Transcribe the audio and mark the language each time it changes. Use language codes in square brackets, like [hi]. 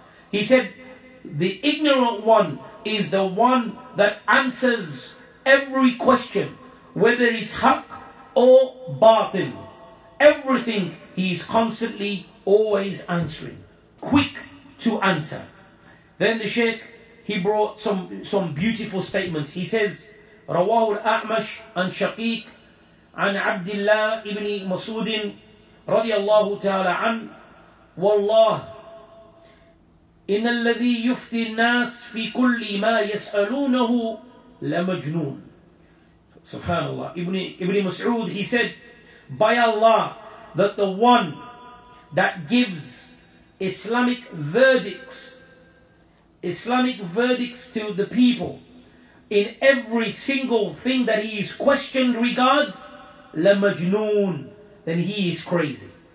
[en] He said, the ignorant one is the one that answers every question, whether it's haq or batil. Everything he is constantly, always answering. Quick to answer. Then the Shaykh, he brought some beautiful statements. He says, [ar] رواه الأعمش عن شقيق عن عبد الله ابن مسعود رضي الله تعالى عن والله إن الذي يفتي الناس في كل ما يسألونه لمجنون. Subhanallah. [en] Ibn Mas'ud, he said, by Allah, that the one that gives Islamic verdicts to the people in every single thing that he is questioned regard, لَمَجْنُون, then he is crazy.